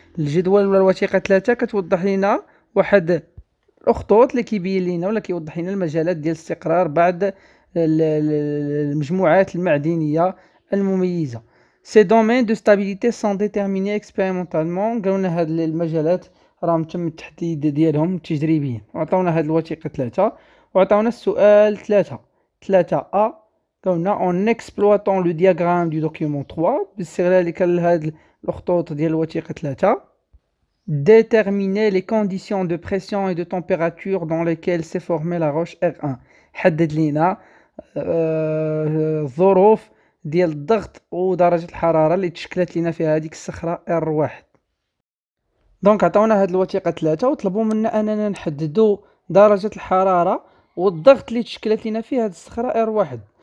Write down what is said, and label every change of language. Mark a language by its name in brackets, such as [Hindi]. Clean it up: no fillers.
[Arabic] الجدول ولا الوثيقة 3 كتوضح لنا واحد الخطوط اللي كيبين لنا ولا كيوضح لنا المجالات ديال الاستقرار بعض المجموعات المعدنيه المميزه. [French] سي دومين دو ستابيليتي سون ديتيرميني اكسبيريمونتالمون، [Arabic] قالوا لنا هاد المجالات راهم تم التحديد ديالهم تجريبيا، وعطاونا هاد الوثيقه 3 وعطاونا السؤال 3 ا. قالوا لنا [French] اون اكسبلواتون لو دياغرام دو دوكيومون 3 [Arabic] باستغلالك لهاد الخطوط ديال الوثيقه 3، [French] déterminer les conditions de pression et de température dans lesquelles s'est formée la roche R1. [Arabic] حدد لينا الظروف ديال الضغط ودرجة الحرارة اللي تشكلت لنا في هذه الصخرة R1. دونك عطاونا هاد الوثيقة 3 وطلبوا منا أننا نحددوا درجة الحرارة والضغط اللي تشكلت لنا في هذه الصخرة R1.